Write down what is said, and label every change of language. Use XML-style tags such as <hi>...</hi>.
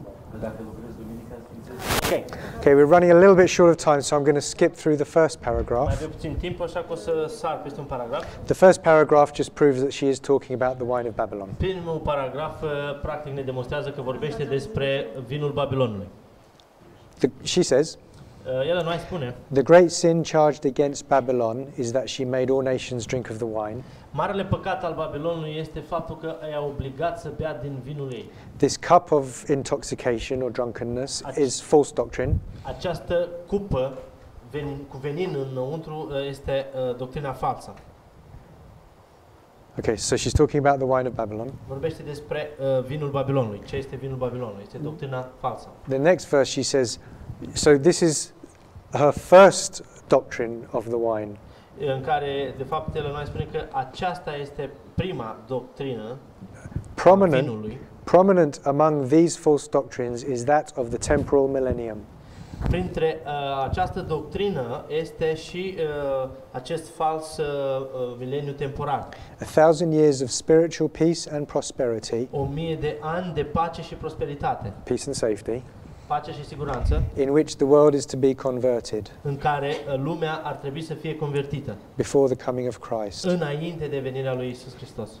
<ro>că dacă lucrezi duminica,</ro> <en>okay, we're running a little bit short of time, so I'm going to skip through the first paragraph.</en> <ro>Mai avem puțin timp, așa că o să sar peste un paragraf.</ro> <en>The first paragraph just proves that she is talking about the wine of Babylon.</en> <ro>Primul paragraf practic ne demonstrează că vorbește despre vinul Babilonului.</ro> <en>She says,</en> <ro>ea nu mai spune,</ro> <en>the great sin charged against Babylon is that she made all nations drink of the wine.</en> <ro>Marele păcat al Babilonului este faptul că i-a obligat să bea din vinul ei.</ro> <en>This cup of intoxication or drunkenness is false doctrine.</en> <ro>Această cupă cu venin înăuntru este doctrina falsă.</ro> <en>Okay, so she's talking about the wine of Babylon.</en> <ro>Vorbește despre vinul Babilonului. Ce este vinul Babilonului? Este doctrina falsă.</ro> <en>The next verse she says, so this is her first doctrine of the wine.</en> <ro>În care, de fapt, Ellen White spune că aceasta este prima doctrină</ro> <en>prominent,</en> <ro>vinului.</ro> <en>Prominent among these false doctrines is that of the temporal millennium.</en> <ro>Printre această doctrină este și acest fals mileniu temporal.</ro> <en>1,000 years of spiritual peace and prosperity.</en> <ro>1,000 de ani de pace și prosperitate.</ro> <en>Peace and safety.</en> <ro>Pace și siguranță,</ro> <en>in which the world is to be converted,</en> <ro>în care lumea ar trebui să fie convertită,</ro> <en>before the coming of Christ,</en> <ro>înainte de venirea lui Iisus Hristos.</ro>